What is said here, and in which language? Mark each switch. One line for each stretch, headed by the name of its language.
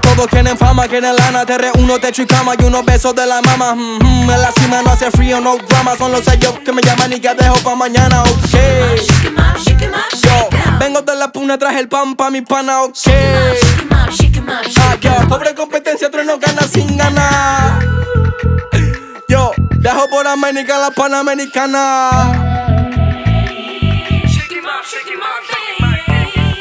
Spanish: Quieren fama, quieren lana, te reúno, techo y cama y unos besos de la mama. En la cima no hace frío, no drama. Son los sellos que me llaman y que dejo pa' mañana, ok.
English: Shake em up, shake em up, shake em up, shake em up.
Spanish: Vengo de la puna, traje el pan pa' mi pana, ok.
English: Shake em up, shake em up, shake em up, shake em up.
Spanish: Pobre competencia, otro no gana sin ganar. Yo, viajo por América, la panamericana.
English: Shake em up, shake em up, baby.